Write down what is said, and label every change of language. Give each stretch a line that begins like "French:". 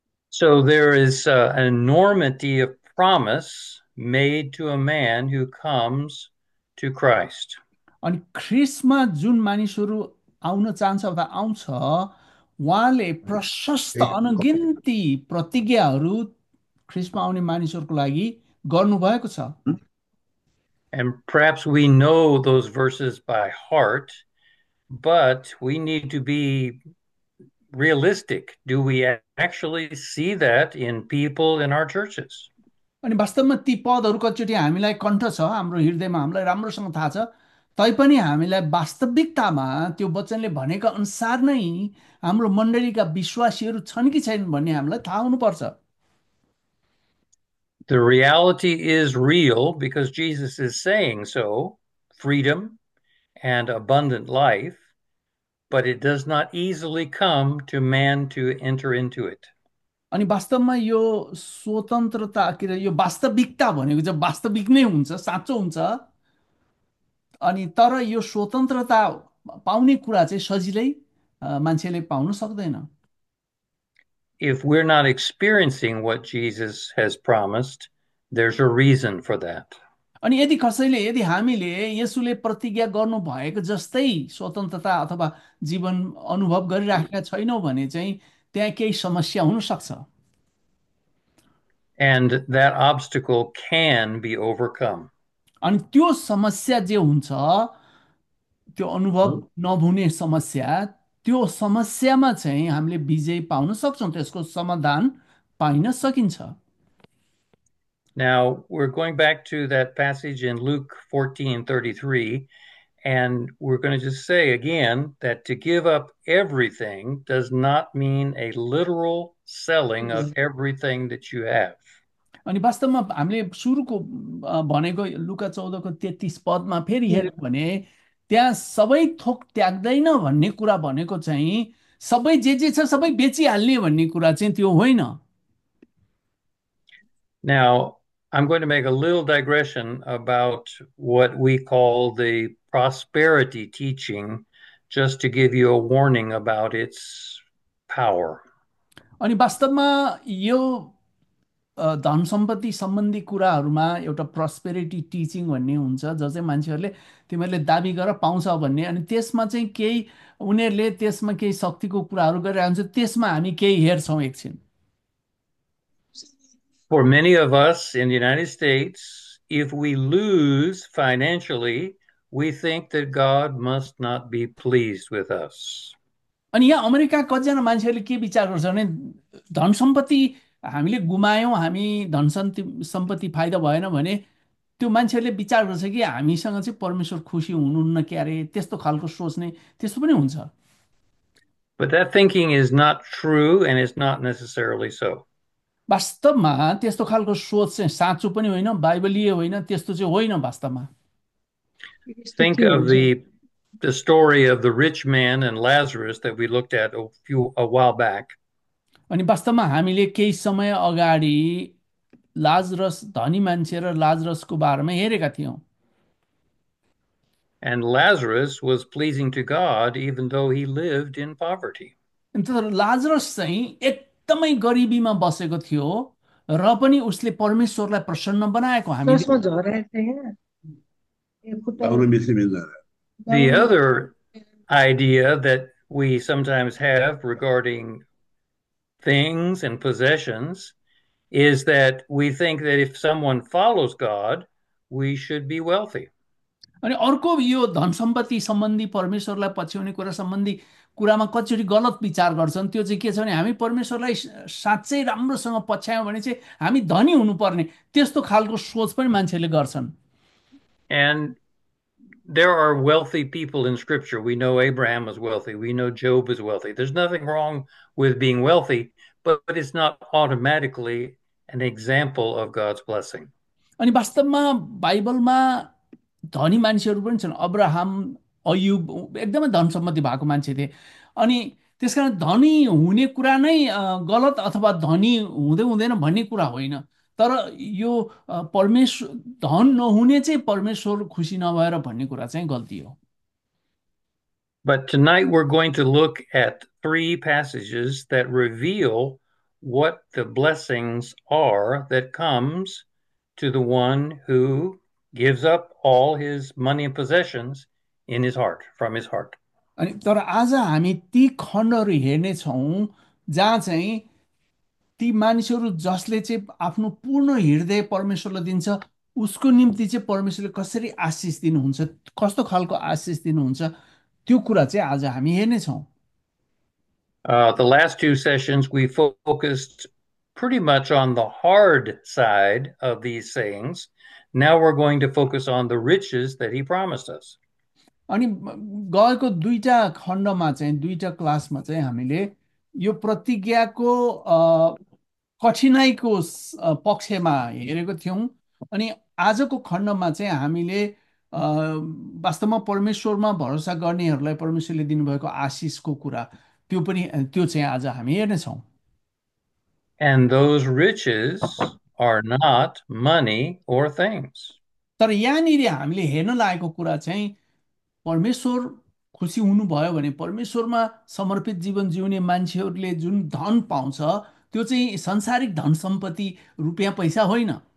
English: So there is an enormity of promise made to a man who comes to Christ.
Nepali: अनि ख्रिस्टमा जुन मानिसहरू आउन चाहन्छ अथवा आउँछ, उहाँले प्रशस्त अनगिन्ती प्रतिज्ञाहरू ख्रिस्टमा आउने मानिसहरूको लागि गर्नुभएको छ।
English: And perhaps we know those verses by heart, but we need to be realistic, do we actually see that in people in our churches?
Nepali: अनि वास्तवमा ती पदहरू कतिचोटि हामीलाई कण्ठ छ, हाम्रो हृदयमा हामीलाई राम्रोसँग थाहा छ, तैपनि हामीलाई वास्तविकतामा त्यो वचनले भनेको अनुसार नै हाम्रो मण्डलीका विश्वासीहरू छन् कि छैनन् भन्ने हामीलाई थाहा हुनुपर्छ।
English: The reality is real because Jesus is saying so, freedom and abundant life. But it does not easily come to man to enter into it.
Nepali: अनि वास्तवमा यो स्वतन्त्रता के अरे, यो वास्तविकता भनेको चाहिँ वास्तविक नै हुन्छ, साँचो हुन्छ, अनि तर यो स्वतन्त्रता पाउने कुरा चाहिँ सजिलै मान्छेले पाउन सक्दैन।
English: If we're not experiencing what Jesus has promised, there's a reason for that.
Nepali: अनि यदि कसैले यदि हामीले यसुले प्रतिज्ञा गर्नुभएको जस्तै स्वतन्त्रता अथवा जीवन अनुभव गरिराखेका छैनौँ भने चाहिँ त्यहाँ केही समस्या हुनसक्छ।
English: And that obstacle can be overcome.
Nepali: अनि त्यो समस्या जे हुन्छ त्यो अनुभव नहुने समस्या त्यो समस्यामा चाहिँ हामीले विजय पाउन सक्छौँ, त्यसको समाधान पाइन सकिन्छ।
English: Now we're going back to that passage in Luke 14:33, and we're going to just say again that to give up everything does not mean a literal selling of everything that you have.
Nepali: अनि वास्तवमा हामीले सुरुको भनेको लुका 14 को 33 पदमा फेरि हेऱ्यौँ भने त्यहाँ सबै थोक त्याग्दैन भन्ने कुरा भनेको चाहिँ सबै जे जे छ सबै बेचिहाल्ने भन्ने कुरा चाहिँ त्यो होइन।
English: Now, I'm going to make a little digression about what we call the prosperity teaching, just to give you a warning about its power.
Nepali: अनि वास्तवमा यो धन सम्पत्ति सम्बन्धी कुराहरूमा एउटा प्रस्पेरिटी टिचिङ भन्ने हुन्छ, जो चाहिँ मान्छेहरूले तिमीहरूले दाबी गर पाउँछ भन्ने, अनि त्यसमा चाहिँ केही उनीहरूले त्यसमा केही शक्तिको कुराहरू गरिरहेको हुन्छ, त्यसमा हामी केही हेर्छौँ एकछिन।
English: For many of us in the United States, if we lose financially, we think that God must not be pleased with us.
Nepali: अनि यहाँ अमेरिका कतिजना मान्छेहरूले के विचार गर्छ भने धन सम्पत्ति हामीले गुमायौँ, हामी धन सम्पत्ति फाइदा भएन भने त्यो मान्छेहरूले विचार गर्छ कि हामीसँग चाहिँ परमेश्वर खुसी हुनुहुन्न क्यारे, त्यस्तो खालको सोच्ने त्यस्तो पनि हुन्छ।
English: But that thinking is not true and it's not necessarily so.
Nepali: वास्तवमा त्यस्तो खालको सोच चाहिँ साँचो पनि होइन, बाइबलीय होइन, त्यस्तो चाहिँ होइन वास्तवमा।
English: Think of the story of the rich man and Lazarus that we looked at a while back.
Nepali: अनि वास्तवमा हामीले केही समय अगाडि लाजरस धनी मान्छे र लाजरसको बारेमा हेरेका थियौँ।
English: And Lazarus was pleasing to God even though he lived in poverty.
Nepali: तर लाजरस चाहिँ एकदमै गरिबीमा बसेको थियो र पनि उसले परमेश्वरलाई प्रसन्न बनाएको हामी चस्मा झरे थे
English: The other idea that we sometimes have regarding things and possessions is that we think that if someone follows God, we should be wealthy.
Nepali: अनि अर्को यो धन सम्पत्ति सम्बन्धी परमेश्वरलाई पछ्याउने कुरा सम्बन्धी कुरामा कतिचोटि गलत विचार गर्छन्, त्यो चाहिँ के छ भने हामी परमेश्वरलाई साँच्चै राम्रोसँग पछ्यायौँ भने चाहिँ हामी धनी हुनुपर्ने, त्यस्तो खालको सोच पनि मान्छेले गर्छन्।
English: And there are wealthy people in Scripture. We know Abraham is wealthy. We know Job is wealthy. There's nothing wrong with being wealthy, but it's not automatically an example of God's blessing.
Nepali: अनि वास्तवमा बाइबलमा धनी मान्छेहरू पनि छन्, Abraham Ayyub एकदमै धन सम्पत्ति भएको मान्छे थिए, अनि त्यसकारण धनी हुने कुरा नै गलत अथवा धनी हुँदै हुँदैन भन्ने कुरा होइन, तर यो परमेश्वर धन नहुने चाहिँ परमेश्वर खुसी नभएर भन्ने कुरा चाहिँ गल्ती हो।
English: But tonight we're going to look at three passages that reveal what the blessings are that comes to the one who gives up all his money and possessions in his heart, from his heart.
Nepali: अनि तर आज हामी ती खण्डहरू हेर्नेछौँ जहाँ चाहिँ ती मानिसहरू जसले चाहिँ आफ्नो पूर्ण हृदय परमेश्वरलाई दिन्छ उसको निम्ति चाहिँ परमेश्वरले कसरी आशिष दिनुहुन्छ, कस्तो खालको आशिष दिनुहुन्छ, त्यो कुरा चाहिँ आज हामी हेर्नेछौँ।
English: The last two sessions, we focused pretty much on the hard side of these sayings. Now we're going to focus on the riches that he promised us.
Nepali: अनि गएको दुईवटा खण्डमा चाहिँ दुईवटा क्लासमा चाहिँ हामीले यो प्रतिज्ञाको कठिनाइको पक्षमा हेरेको थियौँ, अनि आजको खण्डमा चाहिँ हामीले वास्तवमा परमेश्वरमा भरोसा गर्नेहरूलाई परमेश्वरले दिनुभएको आशिषको कुरा त्यो पनि त्यो चाहिँ आज हामी हेर्नेछौँ।
English: And those riches are not money or things.
Nepali: तर यहाँनिर हामीले हेर्न लागेको कुरा चाहिँ परमेश्वर खुसी हुनुभयो भने परमेश्वरमा समर्पित जीवन जिउने मान्छेहरूले जुन धन पाउँछ त्यो चाहिँ सांसारिक धन सम्पत्ति रुपियाँ पैसा होइन।